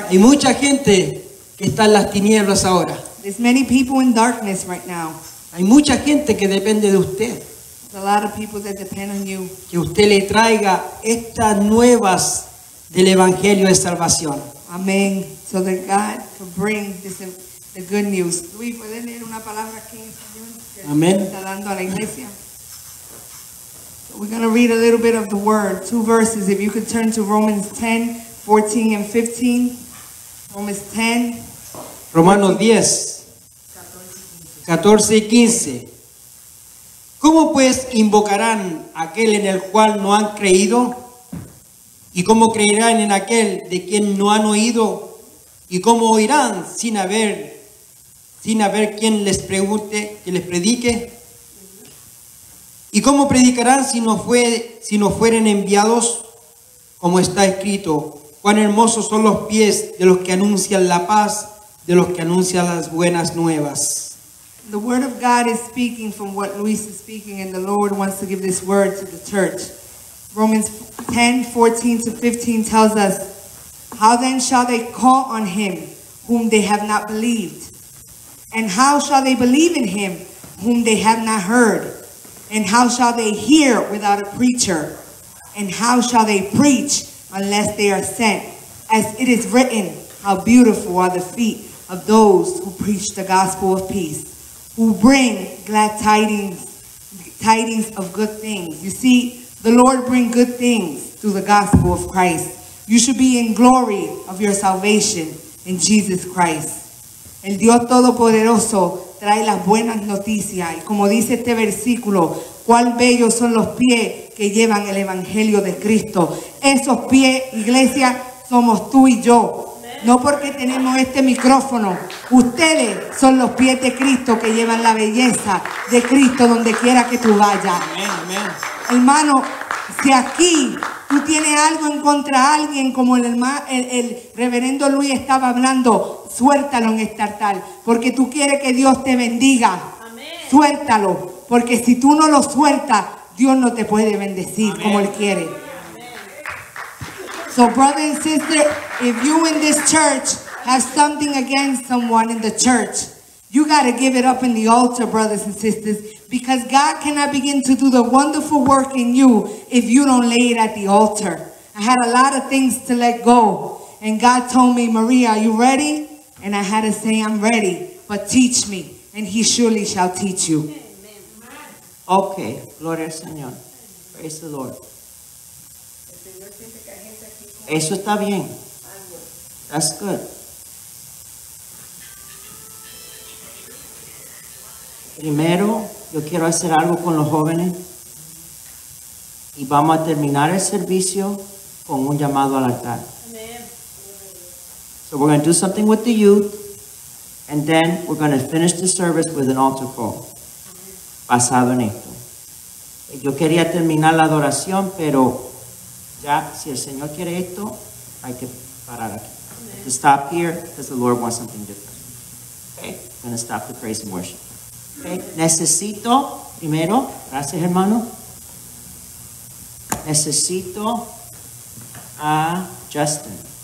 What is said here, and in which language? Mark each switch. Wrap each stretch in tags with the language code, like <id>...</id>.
<es>Hay mucha gente que está en las tinieblas ahora.</es> <en>There's many people in darkness right now.</en> <es>Hay mucha gente que depende de usted.</es> <en>There's a lot of people that depend on you.</en> <es>Que usted le traiga estas nuevas del evangelio de salvación.</es> <en>Amen. So that God can bring this the good news.</en> <es>Luis, ¿puedes leer una palabra aquí en español? Amen. Está dando a la iglesia.</es> <en>We're going to read a little bit of the word, two verses. If you could turn to Romans 10, 14 and 15. Romans 10.</en> <es>Romanos 10, 14 y 15. ¿Cómo pues invocarán aquel en el cual no han creído? ¿Y cómo creerán en aquel de quien no han oído? ¿Y cómo oirán sin haber quien les pregunte, que les predique? ¿Y cómo predicarán si no fueren enviados? Como está escrito, cuán hermosos son los pies de los que anuncian la paz, de los que anuncian las buenas nuevas.</es> <en>The word of God is speaking from what Luis is speaking, and the Lord wants to give this word to the church. Romans 10, 14 to 15 tells us, how then shall they call on him whom they have not believed? And how shall they believe in him whom they have not heard? And how shall they hear without a preacher? And how shall they preach unless they are sent? As it is written, how beautiful are the feet of those who preach the gospel of peace, who bring glad tidings of good things. You see, the Lord bring good things through the gospel of Christ. You should be in glory of your salvation in Jesus Christ.</en> <es>El Dios Todopoderoso trae las buenas noticias. Y como dice este versículo, cuán bellos son los pies que llevan el Evangelio de Cristo. Esos pies, iglesia, somos tú y yo. No porque tenemos este micrófono. Ustedes son los pies de Cristo que llevan la belleza de Cristo donde quiera que tú vayas. Amén, amén. Hermano, si aquí tú tienes algo en contra de alguien, como el reverendo Luis estaba hablando, suéltalo en este altar, porque tú quieres que Dios te bendiga. Amén. Suéltalo, porque si tú no lo sueltas, Dios no te puede bendecir. Amén. Como Él quiere. Amén.</es> <en>So, brother and sister, if you in this church have something against someone in the church, you got to give it up in the altar, brothers and sisters. Because God cannot begin to do the wonderful work in you if you don't lay it at the altar. I had a lot of things to let go. And God told me, Maria, are you ready? And I had to say, I'm ready. But teach me, and He surely shall teach you. Okay,</en> <es>gloria al Señor.</es> <en>Praise the Lord.</en> <es>Eso está bien.</es> <en>That's good.</en> <es>Primero, yo quiero hacer algo con los jóvenes y vamos a terminar el servicio con un llamado al altar. Amen.</es> <en>So we're going to do something with the youth and then we're going to finish the service with an altar call.</en> <es>Amen. Basado en esto. Yo quería terminar la adoración, pero ya si el Señor quiere esto, hay que parar aquí. Amen.</es> <en>To stop here because the Lord wants something different. Okay, I'm going to stop the praise and worship.</en> <es>Okay. Necesito, primero, gracias hermano, necesito a Justin.</es>